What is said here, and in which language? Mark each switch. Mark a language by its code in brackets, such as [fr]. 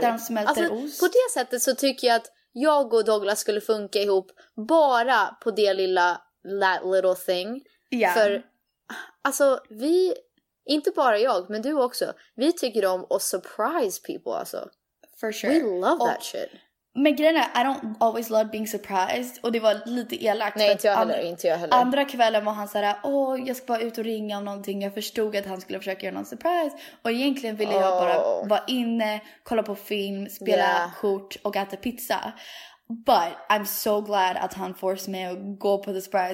[sv] Där de smälter ost. På det sättet så tycker jag att jag och Douglas skulle funka ihop. Bara på det lilla, [en] that little thing. Yeah. [sv] För, alltså vi... Inte bara jag, men du också. Vi tycker om att [en] surprise people, [sv] alltså. [en] For sure. We love that shit. [sv] Men grejen är, [en] I don't always love being surprised. [sv] Och det var lite elakt. Nej, inte jag heller. Andra kvällen var han såhär, jag ska bara ut och ringa om någonting. Jag förstod att han skulle försöka göra någon surprise. Och egentligen ville jag bara vara inne, kolla på film, spela kort och äta pizza. [en] But I'm so glad [sv] att han forced mig att gå på The Spice.